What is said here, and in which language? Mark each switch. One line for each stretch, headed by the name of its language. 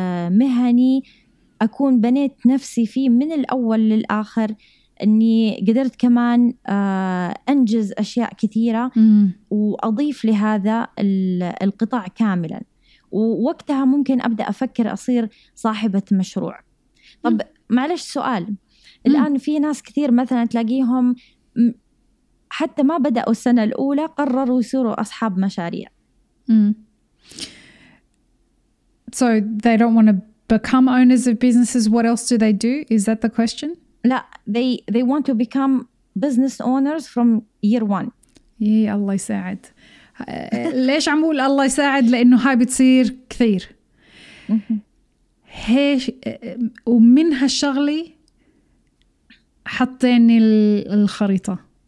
Arabic: مهني أكون بنيت نفسي فيه من الأول للآخر، أني قدرت كمان أنجز أشياء كثيرة وأضيف لهذا القطاع كاملا، ووقتها ممكن أبدأ أفكر أصير صاحبة مشروع. طب معلش سؤال الآن، في ناس كثير مثلا تلاقيهم حتى ما بدأوا السنة الأولى قرروا يصيروا أصحاب مشاريع.
English: So they don't want to become owners of businesses. What else do they do? Is that the question? لا, they want to become business owners from year one.
Arabic: Yeah, الله يساعد. ليش عم أقول الله يساعد؟ لأنه هاي بتصير كثير. هي ومن هالشغلة حطيني الخريطة.